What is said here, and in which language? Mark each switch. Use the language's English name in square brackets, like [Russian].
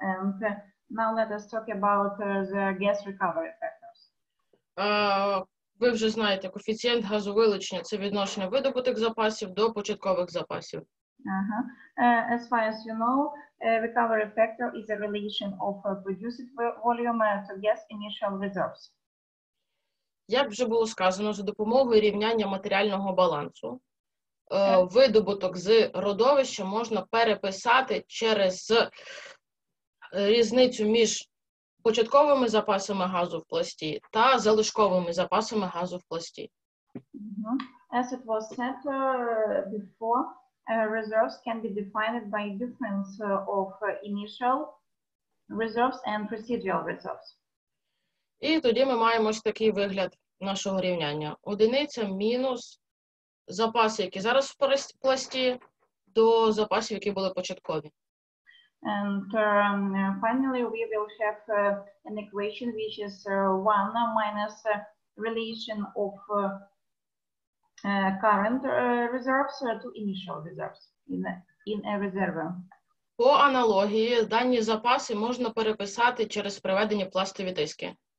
[English] And now let us talk about the gas recovery factors. [Ukrainian] Ви вже знаєте, коефіцієнт газовилучення – це відношення видобуток запасів до початкових запасів. [English] As far as you know, recovery factor is a relation of produced volume to gas initial reserves. [Ukrainian] Як вже було сказано, за допомогою рівняння матеріального балансу, видобуток з родовища можна переписати через різницю між початковими запасами газу в пласті та залишковими запасами газу в пласті. [English] As it was said before, reserves can be defined by difference of initial reserves and residual reserves. [Ukrainian] І тоді ми маємо ось такий вигляд нашого рівняння. Одиниця мінус запаси, які зараз в пласті, до запасів, які були початкові. [English] And finally, we will have an equation, which is 1 minus relation of current reserves to initial reserves in a reserve. [Ukrainian] По аналогії, дані запаси можна переписати через приведені пластові тиски.